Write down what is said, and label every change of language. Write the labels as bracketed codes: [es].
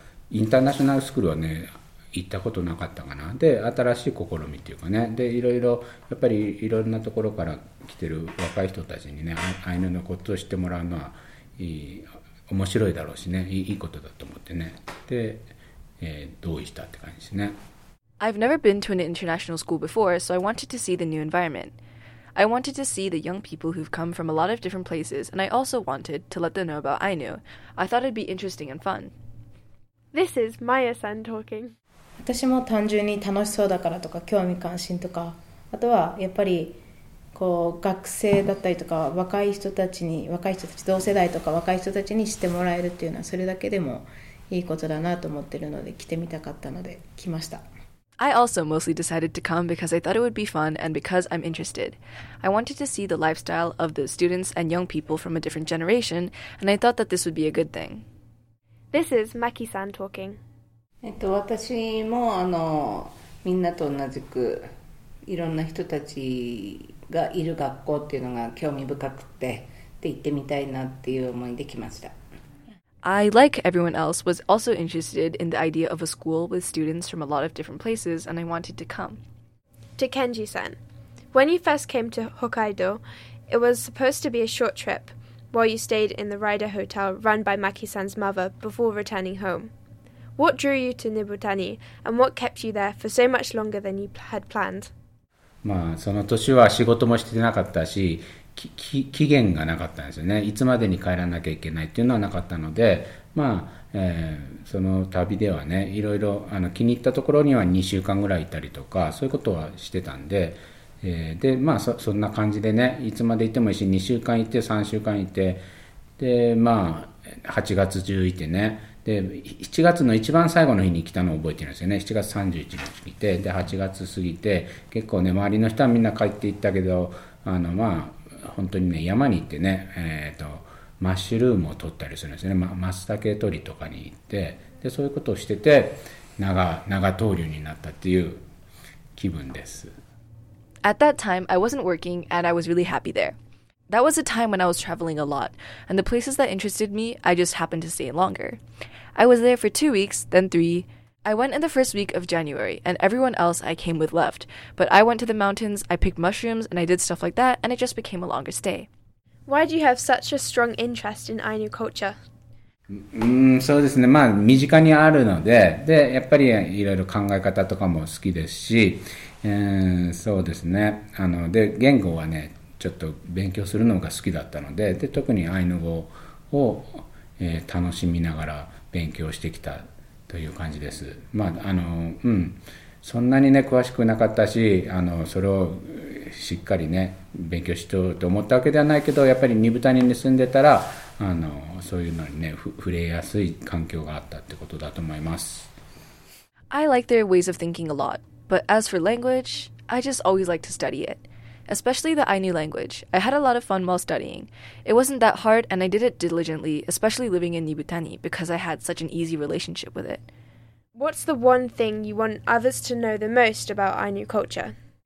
[ja] International school はね、行ったことなかったかな。で、新しい試みっていうかね、で、いろいろ、やっぱりいろんなところから来てる若い人たちにね、アイヌのことを知ってもらうのはいい、面白いだろうしね、いいことだと思ってね。で、同意したって感じですね。 [en] I've never been to an international school before, so I wanted to see the new environment. I wanted to see the young people who've come from a lot of different places, and I also wanted to let them know about Ainu. I thought it'd be interesting and fun. This is Maya-san talking. [ja] 私も単純に楽しそうだからとか興味関心とかあとはやっぱりこう学生だったりとか若い人たちに、若い人たち同世代とか若い人たちに知ってもらえるっていうのはそれだけでもいいことだなと思ってるので来てみたかったので来ました。 [en] I also mostly decided to come because I thought it would be fun and because I'm interested. I wanted to see the lifestyle of the students and young people from a different generation, and I thought that this would be a good thing. This is Maki-san talking. [ja] 私もあのみんなと同じくいろんな人たちがいる学校っていうのが興味深くてで行ってみたいなっていう思いで来ました。 [en] I, like everyone else, was also interested in the idea of a school with students from a lot of different places, and I wanted to come. To Kenji-san, when you first came to Hokkaido, it was supposed to be a short trip, while you stayed in the Rider Hotel run by Maki-san's mother before returning home. What drew you to Nibutani, and what kept you there for so much longer than you had planned? [ja] まあ、その年は仕事もしてなかったし、期限がなかったんですよね。いつまでに帰らなきゃいけないっていうのはなかったので、まあその旅ではね、いろいろあの気に入ったところには2週間ぐらいいたりとか、そういうことはしてたんで、でまあ そんな感じでね、いつまでいてもいいし、2週間いて3週間いて、でまあ8月中いてね、で7月の一番最後の日に来たのを覚えてるんですよね。 7月31日来て、で8月過ぎて、結構ね、周りの人はみんな帰っていったけど、あのまあ本当にね、山に行ってね、マッシュルームを取ったりするんですね、マツタケ取りとかに行って、でそういうことをしてて長闘竜になったっていう気分です。 [en] At that time, I wasn't working and I was really happy there. That was a time when I was traveling a lot, and the places that interested me, I just happened to stay longer. I was there for 2 weeks, then 3. I went in the first week of January, and everyone else I came with left. But I went to the mountains, I picked mushrooms, and I did stuff like that, and it just became a longer stay. Why do you have such a strong interest in Ainu culture? [ja] そうですね。まあ、身近にあるので、で、やっぱりいろいろ考え方とかも好きですし、そうですね。あの、で、言語はね、ちょっと勉強するのが好きだったので、で、特にアイヌ語を、楽しみながら勉強してきた。という感じです。まあ、あの、うん、そんなにね、詳しくなかったし、あの、それをしっかりね、勉強しようと思ったわけではないけど、やっぱりニブタニに住んでたら、あの、そういうのにね、触れやすい環境があったってことだと思います。 [en] I like their ways of thinking a lot, but as for language, I just always like to study it. Especially the Ainu language. I had a lot of fun while studying. It wasn't that hard, and I did it diligently, especially living in Nibutani, because I had such an easy relationship with it. What's the one thing you want others to know the most about Ainu culture?